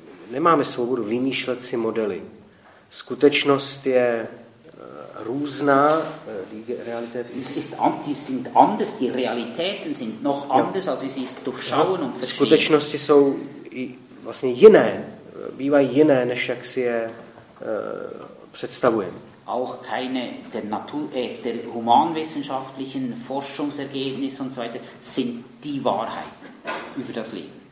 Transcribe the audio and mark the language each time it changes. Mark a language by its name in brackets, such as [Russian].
[Czech] Nemáme svobodu vymýšlet si modely. Skutečnost je různá, [German] die Realität ist anders, die Realitäten sind noch anders, als wir sie durchschauen und verstehen. [Czech] Skutečnosti jsou vlastně jiné, bývají jiné, než jak si je představujeme. [German] Auch keine der humanwissenschaftlichen Forschungsergebnisse und so weiter sind die Wahrheit über das Leben.